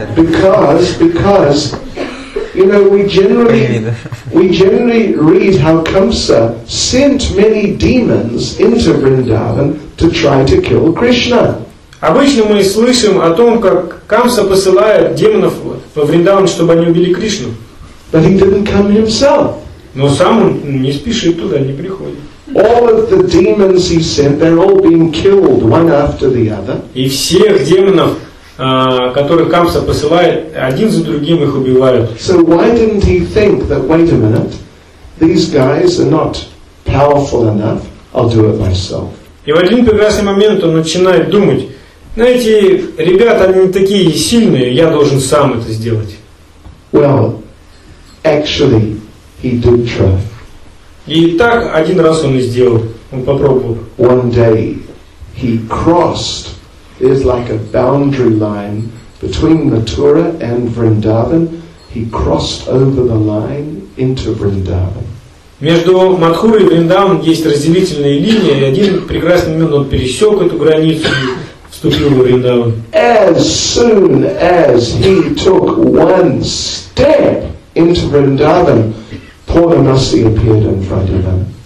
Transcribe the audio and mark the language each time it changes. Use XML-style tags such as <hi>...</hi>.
<en>Because, you know, we generally read how Kamsa sent many demons into Vrindavan to try to kill Krishna.</en> <ru>Обычно мы слышим о том, как Камса посылает демонов во Вриндаван, чтобы они убили Кришну.</ru> <en>But he didn't come himself.</en> <ru>Но сам он не спешит туда, не приходит.</ru> <en>All of the demons he sent, they're all being killed one after the other.</en> <ru>И всех демонов, которых Камса посылает, один за другим их убивают.</ru> <en>So why didn't he think that, wait a minute, these guys are not powerful enough, I'll do it myself.</en> <ru>И в один прекрасный момент он начинает думать, знаете, ребята, они не такие сильные, я должен сам это сделать.</ru> <en>Well, actually, he did try.</en> <ru>И так один раз он и сделал, он попробовал.</ru> <en>One day he crossed. It's like a boundary line between Mathura and Vrindavan. He crossed over the line into Vrindavan.</en> <ru>Между Матхурой и Вриндаван есть разделительная линия, и один прекрасный момент он пересек эту границу и вступил в Вриндаван.</ru> <en>As soon as he took one step into Vrindavan, Purnamasi appeared in front of him.</en>